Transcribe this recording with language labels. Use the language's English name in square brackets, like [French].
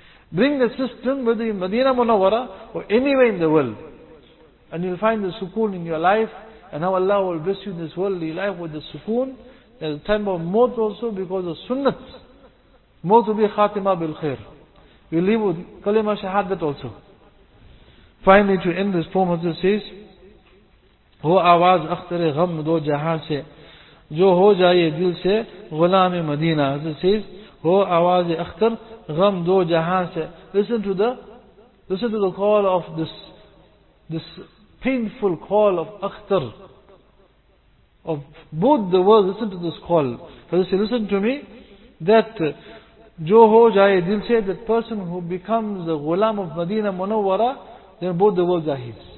[English] Bring the system, whether in Madina Munawwara or anywhere in the world, and you'll find the sukoon in your life, and how Allah will bless you in this worldly life with the sukoon. There's a time of maut also because of sunnat. Maut will be khatima bil khair. We live with Kalima Shahadat also. Finally, to end this poem, Hazrat says, [Urdu] ہو آواز اختر غم دو جہاں سے، جو ہو جائے دل سے غلام مدینہ. حضرت ہو آواز اختر غم دو جہاں سے. [English] Listen to the call of this painful call of Akhtar of both the world. Listen to this call. Hazrat said, listen to me, that [Urdu] جو ہو جائے دل سے, [English] that person who becomes the ghulam of Madinah Munawwarah, then both the world are his.